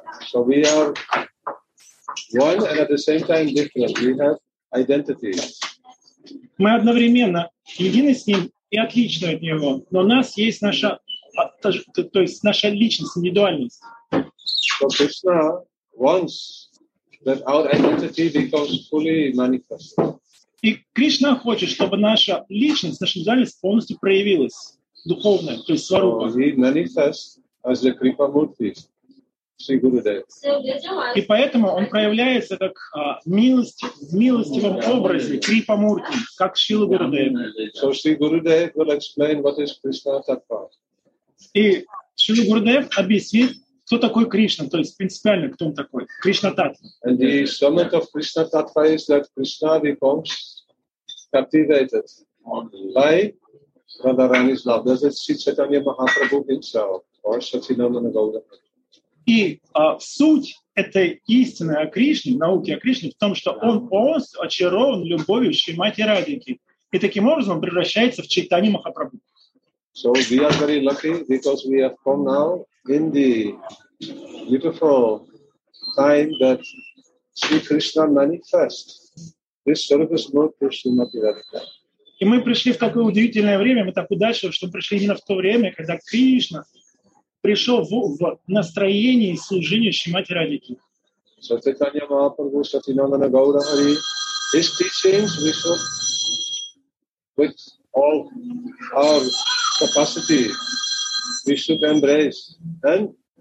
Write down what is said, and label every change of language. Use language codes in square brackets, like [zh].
[en] So we are one and at the same time different. We have identity. [ru] Мы одновременно едины с ним и отличны от него. Но у нас есть наша, то есть наша личность, индивидуальность. [en] So Krishna wants that our identity becomes fully manifest. [ru] И Кришна хочет, чтобы наша личность, наша индивидуальность полностью проявилась, духовная, то есть сварупа. [en] So he manifests as the Kripa Murti, Sri Gurudev. [ru] И поэтому он проявляется как милостивом образе, Kripa Murti, как Шрила Гурудев. [en] So Sri Gurudev will explain what is Krishna Tattva. [ru] И Шрила Гурудев объяснит, кто такой Кришна, то есть принципиально, кто он такой? Кришна Таттва. [en] And the summit of Krishna Tattva is that Krishna becomes captivated by Radharani's love. That is Sri Chaitanya Mahaprabhu himself, or Satchidananda Gaudama. [ru] И суть этой истины о Кришне, науки о Кришне, в том, что он полностью очарован любовью Шримати Радхики. И таким образом он превращается в Чайтани Махапрабху. [en] So we are very lucky because we have come now in the beautiful time that Sri Krishna manifests this service mode to Srimati Radhika. [ru] И мы пришли в такое удивительное время, мы так удачливы, что мы пришли именно в то время, когда Кришна пришел в настроение и служение Шримати Радхики. [en] So Chaitanya Mahaprabhu, Satyananda Gaurahari, his teachings we should with all our capacity we should embrace and